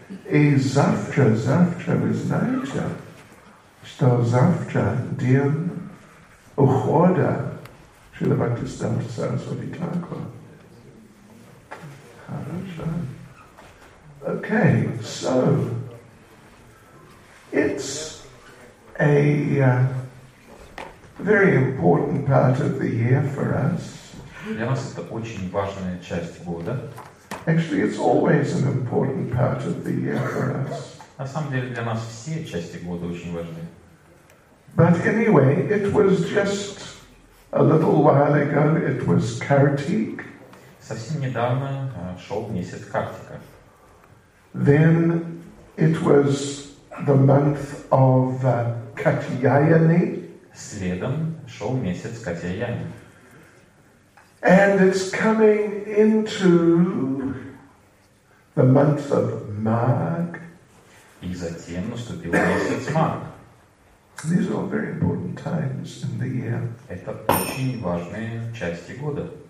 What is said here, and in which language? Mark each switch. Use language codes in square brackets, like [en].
[ru] И завтра, завтра, вы знаете, что завтра день ухода Шрила Бхактисиддханта Сарасвати Тхакура. [en] Okay, so it's a very important part of the year for us. [ru] Для нас это очень важная часть года. [en] Actually, it's always an important part of the year for us. [ru] На самом деле для нас все части года очень важны. [en] But anyway, it was just a little while ago. It was Kartik. [ru] Совсем недавно шел месяц Картика. [en] Then it was the month of Катьяяни. [ru] Следом шел месяц Катьяяни. [en] And it's coming into the month of Маг. [ru] И затем наступил месяц Маг. [en] These are very important times in the year. [ru] Это очень важные части года.